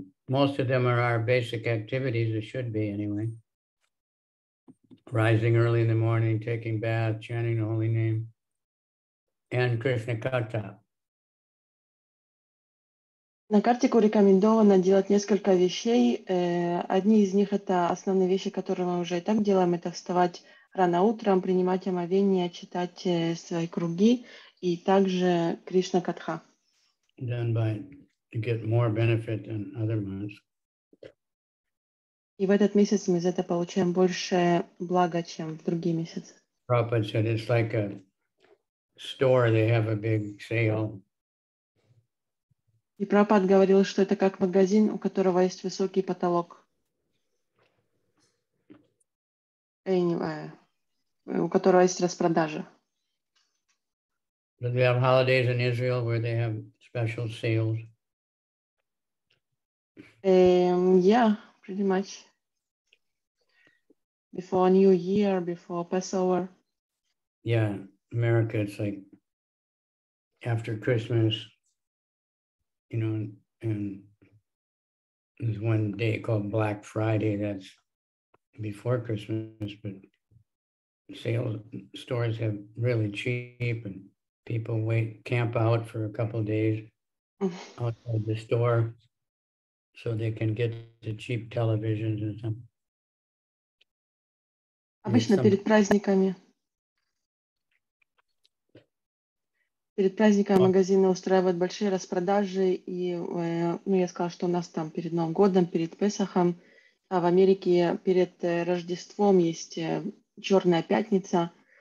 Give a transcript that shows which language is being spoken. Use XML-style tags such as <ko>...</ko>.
<en>Most of them are our basic activities, it should be anyway. Rising early in the morning, taking bath, chanting the holy name, and Krishna Katha.</en> <ru>На Картику рекомендовано делать несколько вещей. Одни из них — это основные вещи, которые мы уже и так делаем, это вставать рано утром, принимать омовение, читать свои круги и также Кришна Катха.</ru> <en>Then by get more benefit than other months.</en> <ru>И в этот месяц мы за это получаем больше блага, чем в другие месяцы.</ru> <en>Prabhupada said it's like a store, they have a big sale.</en> <ru>И Прабхупад говорил, что это как магазин, у которого есть высокий потолок.</ru> <en>anywhere,</en> <ru>у которого есть распродажа.</ru> <en>Do they have holidays in Israel where they have special sales? Yeah, pretty much. Before New Year, before Passover. Yeah, America, it's like after Christmas, you know, and there's one day called Black Friday that's before Christmas, but sales stores have really cheap and people wait, camp out for a couple of days outside the store so they can get the cheap televisions and some.</en> <ru>Обычно перед праздниками. Перед праздниками магазины устраивают большие распродажи. И ну, я сказала, что у нас там перед Новым годом, перед Песохом, а в Америке перед Рождеством есть Черная пятница.</ru>